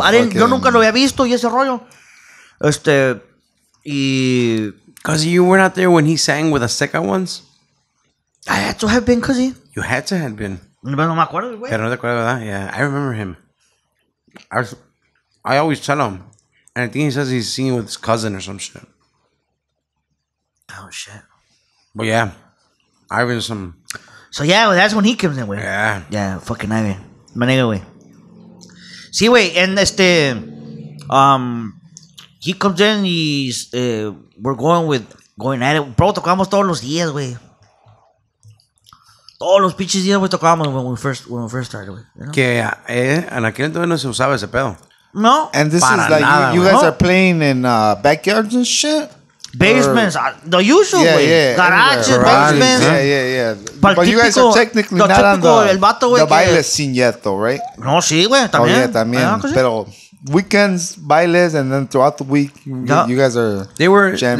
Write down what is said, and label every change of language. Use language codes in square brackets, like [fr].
[es] Yo nunca lo había visto y ese rollo. [en] Because you were not there when he sang with the second ones? I had to have been, cuz he. You had to have been. [es] No me acuerdo, güey. Pero no te acuerdo, ¿verdad? [en] Yeah, I remember him. I always tell him. And I think he says he's singing with his cousin or some shit. Oh, shit. But yeah. Ivan's some. So yeah, well, that's when he comes in, güey. Yeah. Yeah, fucking Ivan. My nigga, güey. [es] Sí, güey. [en] And he comes in y we're going at it. [es] Bro, tocamos todos los días, güey. Todos los pinches días, güey, tocábamos [en] when we first started, [es] güey. [en] You know? [es] En aquel entonces no se usaba ese pedo. No. [en] And this para is like, nada, you guys are playing in backyards and shit? Basements. Or, the usual, güey. Garages, basements. Yeah. But you guys are technically not on the baile scene yet, though, right? [es] No, sí, güey, también. [en] Oh, yeah, también. Pero weekends, bailes, and then throughout the week, you guys are jamming.